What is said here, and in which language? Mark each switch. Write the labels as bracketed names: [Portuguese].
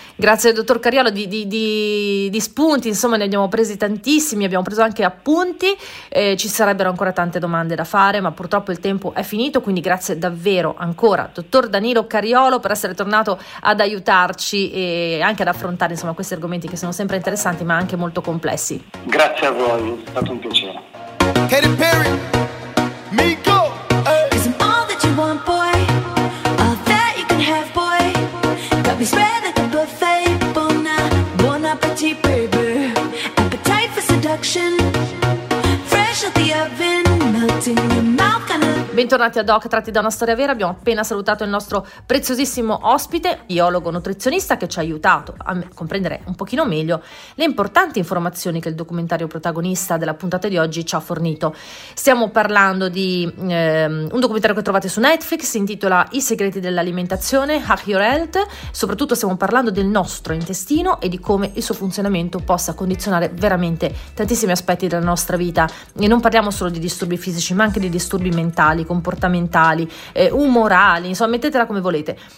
[Italian] Grazie dottor Cariolo di spunti, insomma ne abbiamo presi tantissimi, abbiamo preso anche appunti, ci sarebbero ancora tante domande da fare, ma purtroppo il tempo è finito, quindi grazie davvero ancora dottor Danilo Cariolo per essere tornato ad aiutarci e anche ad affrontare insomma questi argomenti che sono sempre interessanti ma anche molto complessi. Grazie a voi, è stato un piacere. [English] Katy Perry, Miko, is all that you want boy, all that you can have boy, got me spread like a buffet, bon appetit baby, appetite for seduction, fresh out the oven, melting in your mouth kind of. [Italian] Bentornati ad Hoc, tratti da una storia vera, abbiamo appena salutato il nostro preziosissimo ospite, biologo nutrizionista, che ci ha aiutato a comprendere un pochino meglio le importanti informazioni che il documentario protagonista della puntata di oggi ci ha fornito. Stiamo parlando di un documentario che trovate su Netflix, si intitola I segreti dell'alimentazione, Hack Your Health, soprattutto stiamo parlando del nostro intestino e di come il suo funzionamento possa condizionare veramente tantissimi aspetti della nostra vita, e non parliamo solo di disturbi fisici ma anche di disturbi mentali, comportamentali, umorali, insomma mettetela come volete.